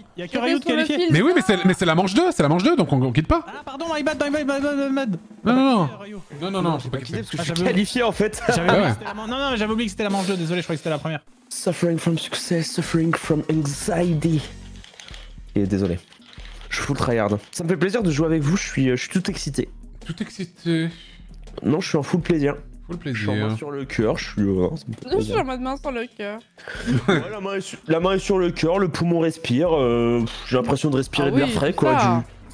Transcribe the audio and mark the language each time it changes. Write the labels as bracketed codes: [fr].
[fr] Il y a que Ryu de qualifié. Mais oui, mais c'est la manche 2, donc on quitte pas. [en] Ah, pardon, my bad. [fr] Non, faut pas quitter. Parce que je suis qualifié en fait. J'avais oublié que c'était la manche 2, désolé, je croyais que c'était la première. [en] Suffering from success, suffering from anxiety. [fr] Et désolé. Je fous le tryhard. Ça me fait plaisir de jouer avec vous, je suis tout excité. Tout excité. Non, je suis en full plaisir. Full plaisir. Je suis en main sur le cœur, Je suis en main sur le cœur. la main est sur le cœur, le poumon respire. J'ai l'impression de respirer de l'air frais, quoi.